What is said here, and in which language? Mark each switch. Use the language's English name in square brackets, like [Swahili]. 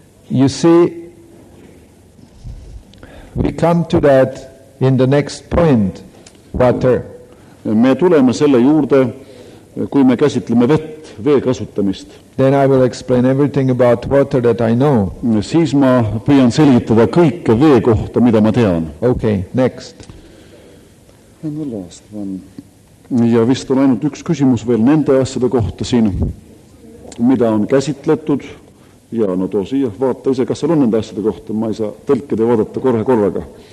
[English] You see, we come to that in the next point, water. [Estonian] Me tuleme selle juurde, kui me käsitleme vett, vee kasutamist. [English] Then I will explain everything about water that I know. [Estonian] Siis ma püüan selgitada kõike vee kohta, mida ma tean. [English] Okay, next. And the last one. [Estonian] Ja vist on ainult üks küsimus veel nende asjade kohta siin, mida on käsitletud. Ja no too siia, vaata ise, kas seal on nende asjade kohta. Ma ei saa tõlkida ja vaadata korraga.